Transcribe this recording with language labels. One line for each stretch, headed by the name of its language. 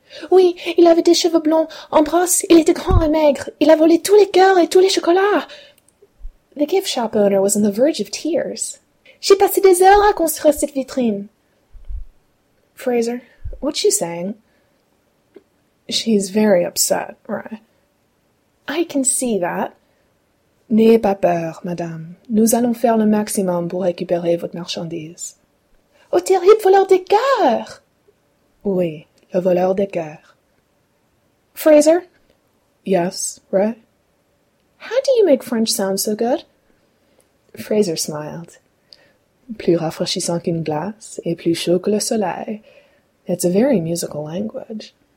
French: Oui, il avait des cheveux blonds. En brosse, il était grand et maigre. Il a volé tous les cœurs et tous les chocolats.
English: The gift shop owner was on the verge of tears.
French: J'ai passé des heures à construire cette vitrine.
English: Fraser, what's she saying? She's very upset, right? I can see that.
French: N'ayez pas peur, madame. Nous allons faire le maximum pour récupérer votre marchandise. Au terrible voleur des cœurs! Oui, le voleur des cœurs.
English: Fraser? Yes, right? How do you make French sound so good? Fraser smiled.
French: Plus rafraîchissant qu'une glace et plus chaud que le soleil.
English: It's a very musical language.